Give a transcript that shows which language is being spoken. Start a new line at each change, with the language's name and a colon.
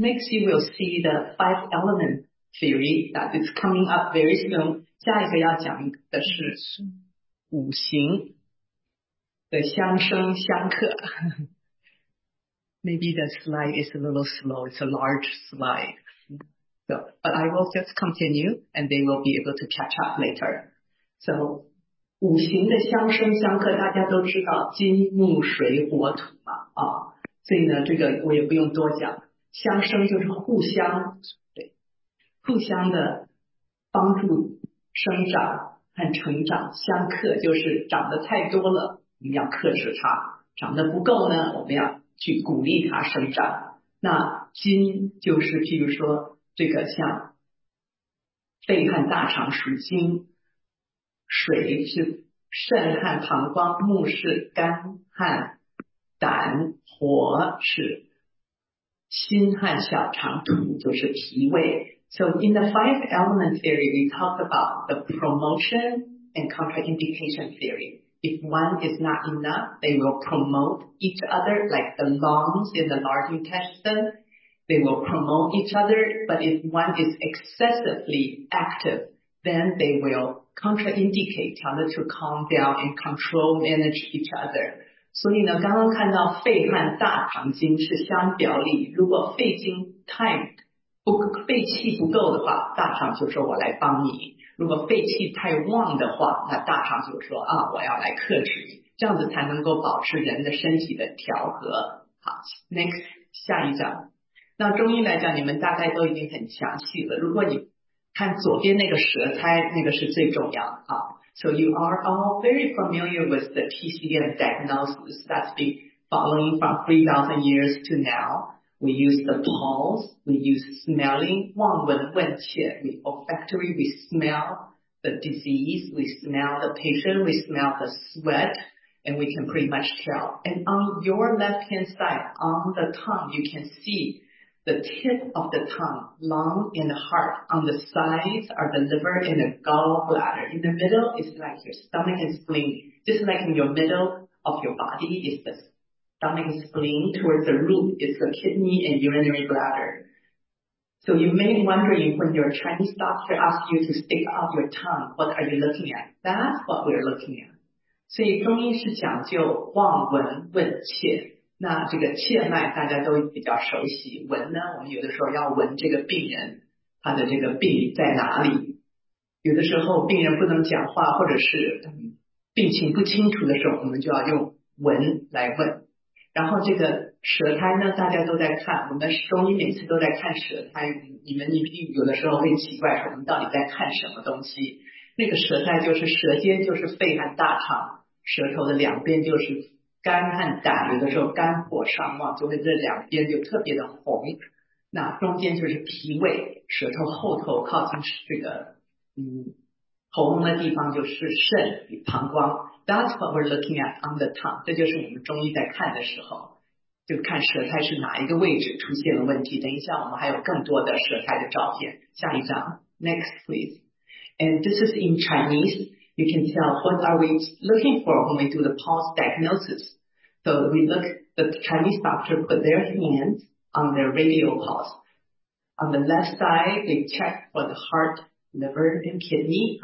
English: Next, you will see the five element theory that is coming up very soon.
Chinese: 下一个要讲的是五行的相生相克。
English: Maybe the slide is a little slow. It's a large slide. So, but I will just continue and they will be able to catch up later.
Chinese: So, 五行的相生相克大家都知道金木水火土嘛、啊、所以呢这个我也不用多讲。相生就是互相，对，互相的帮助生长和成长，相克就是长得太多了，我们要克制它；长得不够呢，我们要去鼓励它生长。那金就是譬如说这个像肺和大肠属金，水是肾和膀胱，木是肝和胆，火是心和小肠，土就是脾胃。
English: So in the five element theory, we talk about the promotion and contraindication theory. If one is not enough, they will promote each other, like the lungs in the large intestine. They will promote each other, but if one is excessively active, then they will contraindicate, tell them to calm down and control, manage each other.
Chinese: 所以呢刚刚看到肺和大肠经是相表里，如果肺经太不肺气不够的话，大肠就说我来帮你，如果肺气太旺的话，那大肠就说啊我要来克制你，这样子才能够保持人的身体的调和。好 ,
English: next,
Chinese: 下一章。那中医来讲你们大概都已经很详细了，如果你看左边那个舌苔那个是最重要的。
English: So you are all very familiar with the TCM diagnosis that's been following from 3,000 years to now. We use the pulse, we use smelling, 望闻问切, we olfactory, we smell the disease, we smell the patient, we smell the sweat, and we can pretty much tell. And on your left hand side, on the tongue, you can see the tip of the tongue, lung and heart. On the sides are the liver and the gallbladder. In the middle is like your stomach and spleen. Just like in your middle of your body is the stomach and spleen. Towards the root is the kidney and urinary bladder. So you may be wondering when your Chinese doctor asks you to stick out your tongue, what are you looking at? That's what we're looking at.
Chinese: 所以中医是讲究望闻问切。那这个切脉大家都比较熟悉，闻呢我们有的时候要闻这个病人他的这个病在哪里，有的时候病人不能讲话或者是病情不清楚的时候，我们就要用闻来问。然后这个舌苔呢大家都在看，我们中医每次都在看舌苔，你们有的时候会奇怪说我们到底在看什么东西，那个舌苔就是舌尖就是肺和大肠，舌头的两边就是肝和胆，有的时候肝火上旺就会这两边就特别的红，那中间就是脾胃，舌头后头靠近这个喉咙的地方就是肾与膀胱。
English: That's what we're looking at on the tongue.
Chinese: 这就是我们中医在看的时候就看舌苔是哪一个位置出现了问题。等一下我们还有更多的舌苔的照片，下一张。
English: Next please. And this is in ChineseYou can tell what are we looking for when we do the pulse diagnosis. So we look, the Chinese doctor put their hands on their radial pulse. On the left side, they check for the heart, liver, and kidney.